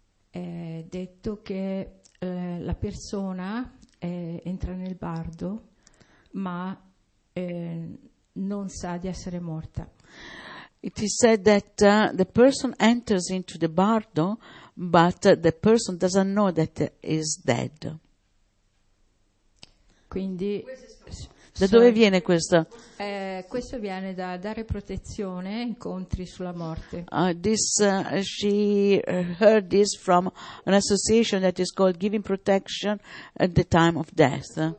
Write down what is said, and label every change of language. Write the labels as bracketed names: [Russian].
[Italian] è detto che la persona entra nel bardo, ma non sa di essere morta. [English] It is said that the person enters into the bardo but the person doesn't know that is dead. [Italian] Quindi da dove viene questo? Questo viene da dare protezione incontri sulla morte. [English] She heard this from an association that is called Giving Protection at the Time of Death.